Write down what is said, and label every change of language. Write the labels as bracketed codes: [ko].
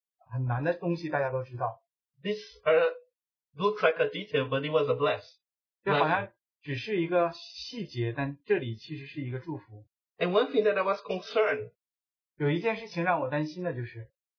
[zh] 很难的东西大家都知道。 [en] This looks like a detail, but it was a bless. [zh] 就好像只是一个细节，但这里其实是一个祝福。 [en] And one thing that I was concerned. [zh] 有一件事情让我担心的就是。